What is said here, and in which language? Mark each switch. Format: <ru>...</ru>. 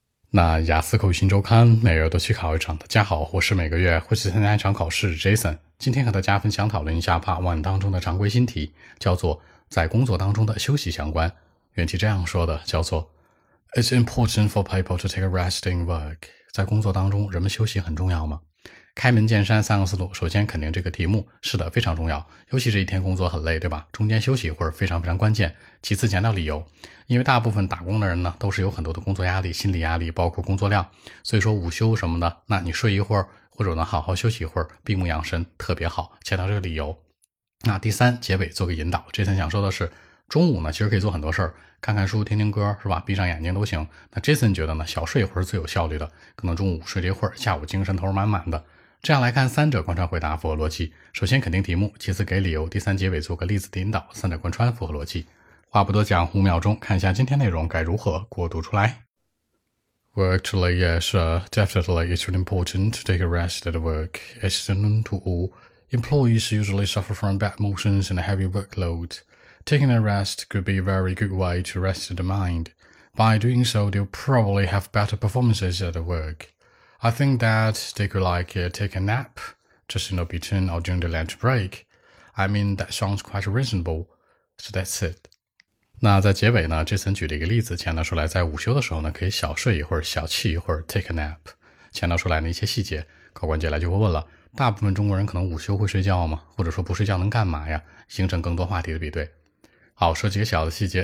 <zh>那雅思口语新周刊每月都去考一场，大家好，我是每个月会去参加一场考试 Jason。今天和大家分享讨论一下 Part 1当中的常规新题，叫做在工作当中的休息相关。原题这样说的，叫做</zh> <en>It's important for people to take a rest in work。</en> <zh>在工作当中人们休息很重要吗？开门见山三个思路，首先肯定这个题目是的，非常重要，尤其这一天工作很累，对吧？中间休息一会儿非常非常关键。其次强调理由，因为大部分打工的人呢都是有很多的工作压力，心理压力包括工作量，所以说午休什么的，那你睡一会儿或者呢好好休息一会儿，闭目养神特别好，强调这个理由。那第三，结尾做个引导，这次想说的是中午呢其实可以做很多事儿，看看书听听歌是吧，闭上眼睛都行。那 Jason 觉得呢小睡一会儿是最有效率的，可能中午睡了一会儿，下午精神头满满的。这样来看三者贯穿回答符合逻辑，首先肯定题目，其次给理由，第三结尾做个例子的引导，三者贯穿符合逻辑。话不多讲，五秒钟看一下今天内容该如何过渡出来。</zh> <en>Well, actually, yes, definitely, it's really important to take a rest at work. It's known to all. Employees usually suffer from bad motions and a heavy workload. Taking a rest could be a very good way to rest the mind. By doing so, they'll probably have better performances at work. I think that they could take a nap, just in between or during the lunch break. I mean, that sounds quite reasonable. So that's it.</en> <zh>那在结尾呢，这次举了一个例子，强调出来在午休的时候呢，可以小睡一会儿，小憩一会儿 ，</zh> <en>take a nap，</en> <zh>强调出来的一些细节。考官接下来就会问了，大部分中国人可能午休会睡觉吗？或者说不睡觉能干嘛呀？形成更多话题的比对。好，说几个小的细节。</zh>